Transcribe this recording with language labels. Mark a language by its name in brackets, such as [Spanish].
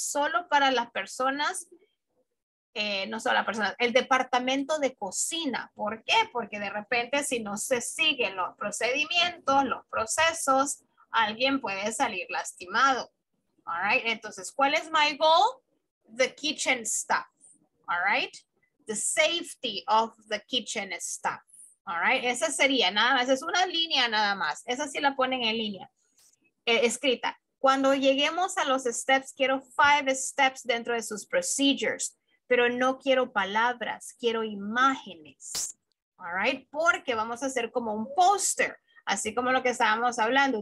[Spanish] Solo para las personas, no solo las personas, el departamento de cocina. ¿Por qué? Porque de repente si no se siguen los procedimientos, los procesos, alguien puede salir lastimado, all right? Entonces, ¿cuál es [English] my goal? The kitchen stuff, all right? The safety of the kitchen stuff, all right? [Spanish] Esa sería nada más, es una línea nada más. Esa sí la ponen en línea, escrita. Cuando lleguemos a los steps, quiero 5 steps dentro de sus procedures, pero no quiero palabras, quiero imágenes, all right? Porque vamos a hacer como un poster, así como lo que estábamos hablando.